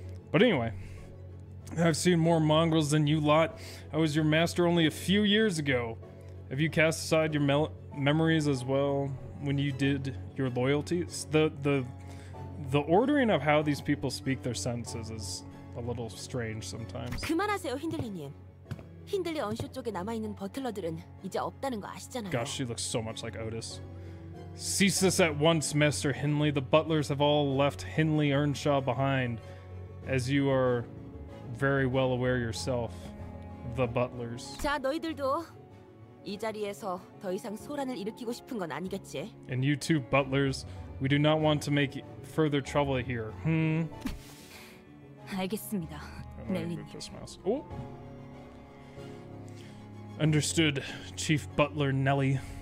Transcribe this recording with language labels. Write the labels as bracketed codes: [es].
[en] But anyway, I've seen more mongrels than you lot. I was your master only a few years ago. Have you cast aside your memories as well when you did your loyalties? The ordering of how these people speak their sentences is a little strange sometimes. [ko] 그만하세요, 힌들리님. 힌들리 언쇼 쪽에 남아 있는 버틀러들은 이제 없다는 거 아시잖아요. [en] Gosh, she looks so much like Otis. Cease this at once, Master Hindley. The butlers have all left Hindley Earnshaw behind, as you are very well aware yourself. The butlers. [ko] 자, 너희들도 이 자리에서 더 이상 소란을 일으키고 싶은 건 아니겠지? [en] And you two butlers, we do not want to make further trouble here. Hmm. [ko] 알겠습니다. 넬리님. [en] Understood, Chief Butler Nelly.